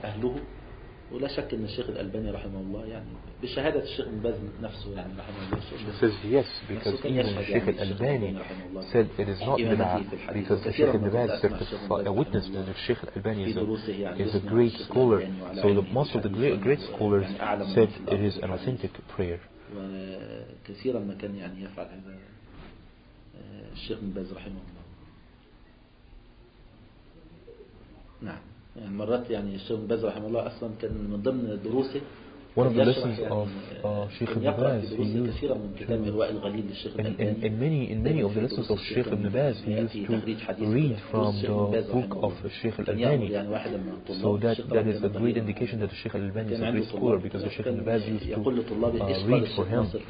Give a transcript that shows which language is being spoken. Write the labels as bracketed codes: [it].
[ar] أهله ولا شك إن الشيخ الألباني رحمه الله يعني بشهادة الشيخ بن باز نفسه يعني رحمه الله [en] says yes because even الشيخ الألباني said it is not bid'ah because the Sheikh ibn Baz certified a witness that the Sheikh الألباني is a great scholar so the most of the great scholars said it is an authentic prayer [ar] كثيرا ما كان يعني يفعل هذا الشيخ بن باز رحمه الله نعم يعني مرات يعني الشيخ بن باز رحمه الله اصلا كان من ضمن دروسه [en] One of the lessons of Sheikh Ibn Baz, he used in many of the lessons of Sheikh Ibn Baz, he used to read from the book of Sheikh Al-Albani. So that is a great indication that Sheikh Al-Albani is a great scholar because the Sheikh Ibn Baz used to read for him.